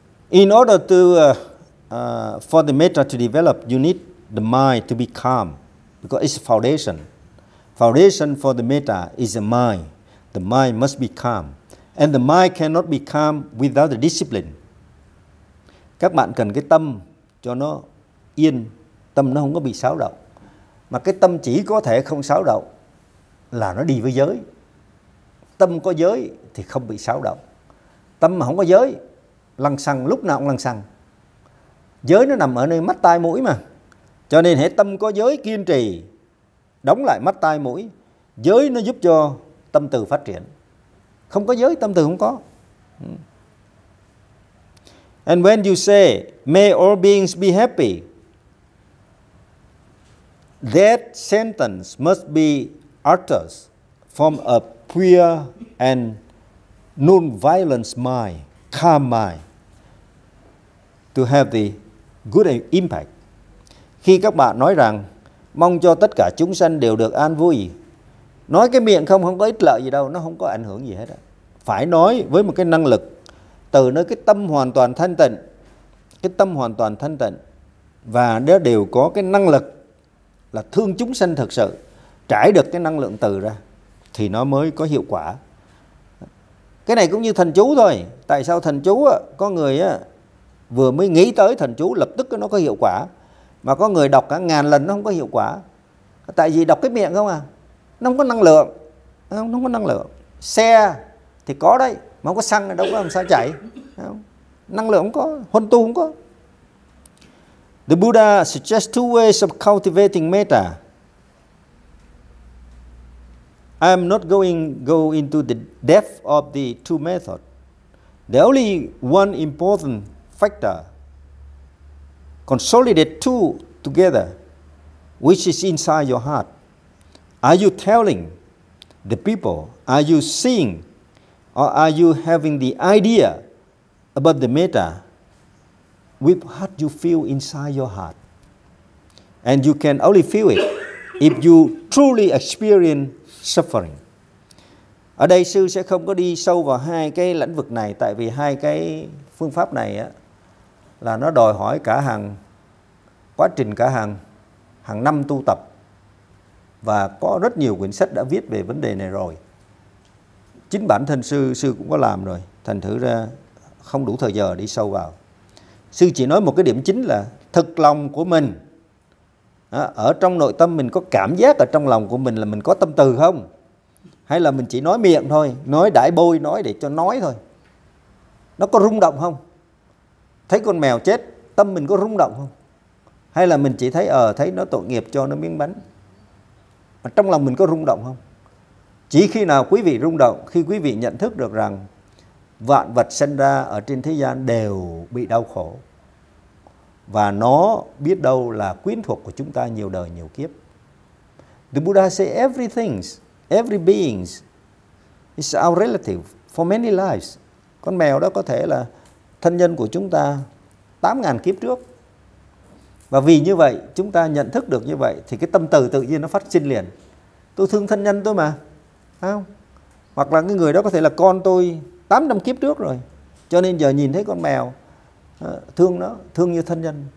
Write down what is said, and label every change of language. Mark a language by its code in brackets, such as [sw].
[en] In order to for the metta to develop, you need the mind to be calm, because it's foundation. Foundation for the metta is the mind. The mind must be calm, and the mind cannot be calm without the discipline. [vi] Các bạn cần cái tâm cho nó yên, tâm nó không có bị xáo động. Mà cái tâm chỉ có thể không xáo động là nó đi với giới. Tâm có giới thì không bị xáo động. Tâm mà không có giới, lăng xăng lúc nào cũng lăng xăng. Giới nó nằm ở nơi mắt tai mũi mà. Cho nên hễ tâm có giới kiên trì, đóng lại mắt tai mũi, giới nó giúp cho tâm từ phát triển. Không có giới tâm từ không có. And when you say may all beings be happy, that sentence must be uttered from a pure and non-violent mind, calm mind, to have the good impact. Khi các bạn nói rằng mong cho tất cả chúng sanh đều được an vui, nói cái miệng không không có ích lợi gì đâu, nó không có ảnh hưởng gì hết. Phải nói với một cái năng lực từ nơi cái tâm hoàn toàn thanh tịnh, cái tâm hoàn toàn thanh tịnh, và nó đều có cái năng lực là thương chúng sanh thật sự, trải được cái năng lượng từ ra thì nó mới có hiệu quả. Cái này cũng như thần chú thôi. Tại sao thần chú có người vừa mới nghĩ tới thần chú lập tức nó có hiệu quả, mà có người đọc cả ngàn lần nó không có hiệu quả? Tại vì đọc cái miệng không à, nó không có năng lượng, nó không có năng lượng. Xe thì có đấy, mà không có xăng đâu có làm sao chạy. Năng lượng không có, huân tu không có. [en] The Buddha suggests two ways of cultivating metta. I'm not going go into the depth of the two methods. The only one important factor consolidate two together, which is inside your heart. Are you telling the people? Are you seeing? Or are you having the idea about the meta with what you feel inside your heart? And you can only feel it if you truly experience suffering. [vi] Ở đây sư sẽ không có đi sâu vào hai cái lĩnh vực này, tại vì hai cái phương pháp này á, là nó đòi hỏi cả hàng quá trình, cả hàng hàng năm tu tập, và có rất nhiều quyển sách đã viết về vấn đề này rồi. Chính bản thân sư cũng có làm rồi, thành thử ra không đủ thời giờ đi sâu vào. Sư chỉ nói một cái điểm chính là thực lòng của mình, ở trong nội tâm mình có cảm giác ở trong lòng của mình là mình có tâm từ không, hay là mình chỉ nói miệng thôi, nói đãi bôi, nói để cho nói thôi. Nó có rung động không? Thấy con mèo chết, tâm mình có rung động không? Hay là mình chỉ thấy thấy nó tội nghiệp cho nó miếng bánh, mà trong lòng mình có rung động không? Chỉ khi nào quý vị rung động, khi quý vị nhận thức được rằng vạn vật sinh ra ở trên thế gian đều bị đau khổ, và nó biết đâu là quyến thuộc của chúng ta nhiều đời nhiều kiếp. [en] The Buddha say everything, every being is our relative for many lives. [vi] Con mèo đó có thể là thân nhân của chúng ta 8.000 kiếp trước. Và vì như vậy, chúng ta nhận thức được như vậy, thì cái tâm từ tự nhiên nó phát sinh liền. Tôi thương thân nhân tôi mà, phải không? Hoặc là cái người đó có thể là con tôi 800 kiếp trước rồi, cho nên giờ nhìn thấy con mèo, thương nó, thương như thân nhân.